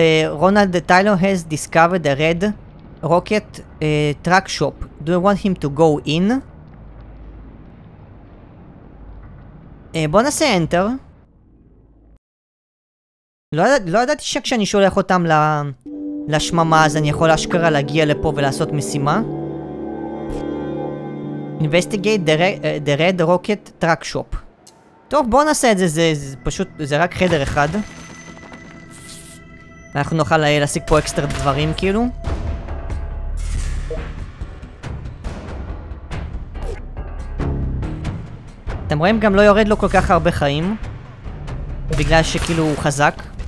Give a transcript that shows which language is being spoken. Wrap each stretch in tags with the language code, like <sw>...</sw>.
<en>רונלד טיילור has discovered a red rocket truck shop. Do you want him to go in?</en> <he>בוא נעשה enter. לא ידעתי שכשאני שולח אותם לשממה אז אני יכול אשכרה להגיע לפה ולעשות משימה.</he> <en>Investigate the red rocket truck shop.</en> <he>טוב, בוא נעשה את זה, זה פשוט, זה רק חדר אחד. אנחנו נוכל להשיג פה אקסטר דברים כאילו. אתם רואים, גם לא יורד לו כל כך הרבה חיים. בגלל שכאילו הוא חזק.</he>